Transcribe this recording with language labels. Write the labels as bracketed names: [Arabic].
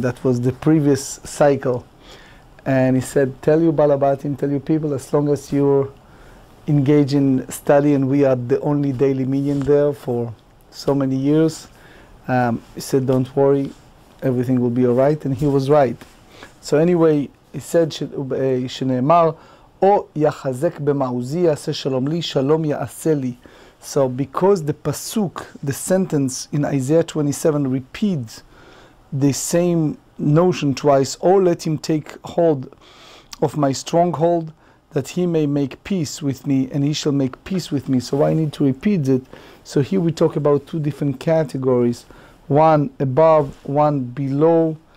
[English] That was the previous cycle. And he said, tell your balabatim, tell your people, as long as you're engaged in study, and we are the only daily minyan there for so many years. He said, don't worry, everything will be all right. And he was right. So anyway, he said, [Hebrew] שנאמר, או יחזק במעוזי יעשה שלום לי, שלום יעשה לי. [English] So because the pasuk, the sentence in Isaiah 27 repeats the same notion twice, or let him take hold of my stronghold, that he may make peace with me, and he shall make peace with me. So why need to repeat it? So here we talk about two different categories, one above, one below.